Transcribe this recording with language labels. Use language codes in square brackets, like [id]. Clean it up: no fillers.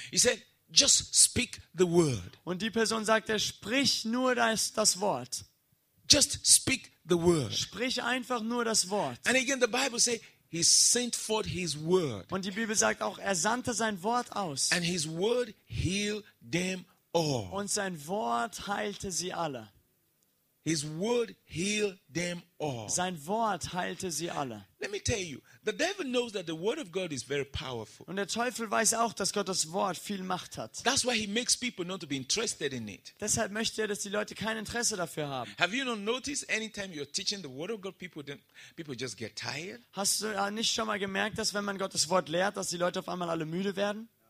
[en] He said, just speak the word. [de] Und die Person sagt, sprich nur das Wort. [en] Just speak the word. [de] Sprich einfach nur das Wort. [en] And again the Bible says he sent forth his word. [de] Und die Bibel sagt auch, sandte sein Wort aus. [en] And his word healed them all. [de] Und sein Wort heilte sie alle. [en] His word healed them all. [de] Sein Wort heilte sie alle. [en] Let me tell you, the devil knows that the word of God is very powerful. [de] Und der Teufel weiß auch, dass Gottes Wort viel Macht hat. [en] That's why he makes people not to be interested in it. [de] Deshalb möchte er, dass die Leute kein Interesse dafür haben. [en] Have you not noticed anytime you're teaching the word of God, people just get tired? [de] Hast du nicht schon mal gemerkt, dass wenn man Gottes Wort lehrt, dass die Leute auf einmal alle müde werden?